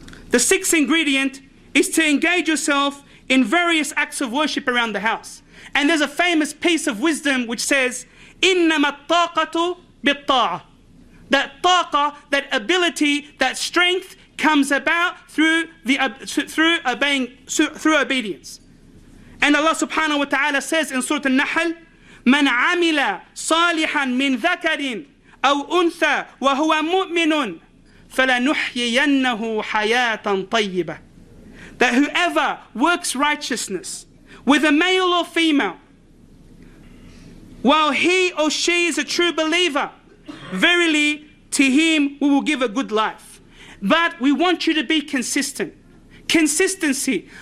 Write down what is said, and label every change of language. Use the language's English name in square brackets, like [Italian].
[English] The sixth ingredient is to engage yourself in various acts of worship around the house. And there's a famous piece of wisdom which says, [Arabic] إِنَّمَا الطَّاقَةُ بِالطَّاعَةِ. [English] That taqa, that ability, that strength comes about through the through obedience. And Allah subhanahu wa ta'ala says in Surah An-Nahl, [Arabic] مَنْ عَمِلَ صَالِحًا مِنْ ذَكَرٍ أَوْ أُنْثَى وَهُوَ مُؤْمِنٌ فَلَنُحْيِيَنَّهُ حَيَاةً طَيِّبَةً. [English] That whoever works righteousness, whether male or female, while he or she is a true believer, verily to him we will give a good life. But we want you to be consistent. Consistency.